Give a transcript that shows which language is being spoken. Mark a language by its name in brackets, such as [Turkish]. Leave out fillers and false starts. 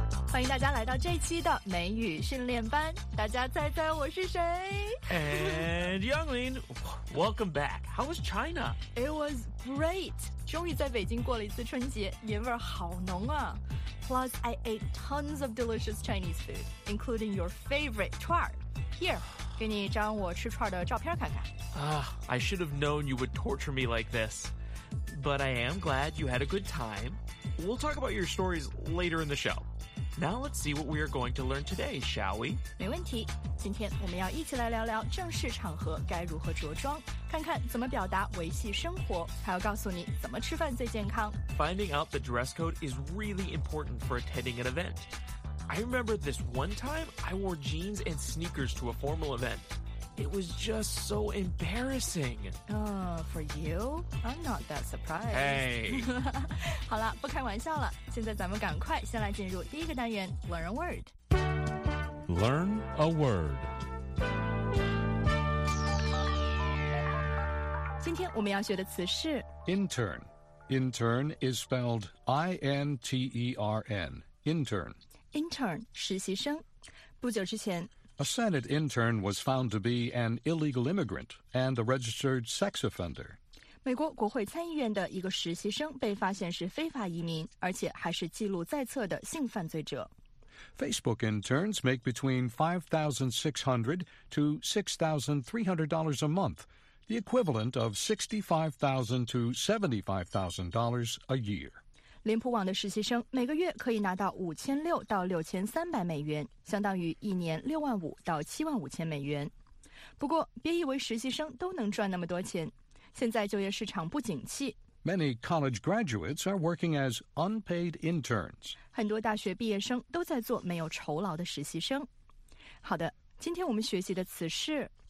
[Chinese] 欢迎大家来到这期的美语训练班，大家猜猜我是谁？ [English] And Younglin, welcome back. How was China? It was great. [Chinese] 终于在北京过了一次春节，年味好浓啊。 [English] Plus, I ate tons of delicious Chinese food, including your favorite 串儿。 Here, [Chinese] 给你一张我吃串儿的照片看看。 [English] I should have known you would torture me like this. But I am glad you had a good time. We'll talk about your stories later in the show. Now let's see what we are going to learn today, shall we? [Chinese] 没问题。今天我们要一起来聊聊正式场合该如何着装，看看怎么表达维系生活，还要告诉你怎么吃饭最健康。 [English] Finding out the dress code is really important for attending an event. I remember this one time I wore jeans and sneakers to a formal event. It was just so embarrassing. For you? I'm not that surprised. Hey! [Chinese] 好了，不开玩笑了。现在咱们赶快先来进入第一个单元 [English] Learn a word. Learn a word. [Chinese] 今天我们要学的词是 [English] Intern. Intern is spelled I-N-T-E-R-N. Intern. [Chinese] Intern, 实习生。不久之前， [English] A Senate intern was found to be an illegal immigrant and a registered sex offender. [Chinese] 美国国会参议院的一个实习生被发现是非法移民，而且还是记录在册的性犯罪者。 [English] Facebook interns make between $5,600 to $6,300 a month, the equivalent of $65,000 to $75,000 a year. [Chinese] 脸谱网的实习生每个月可以拿到5600到6300美元，相当于一年65000到75000美元。不过，别以为实习生都能赚那么多钱。现在就业市场不景气。 [English] Many college graduates are working as unpaid interns. [Chinese] 很多大学毕业生都在做没有酬劳的实习生。好的，今天我们学习的词是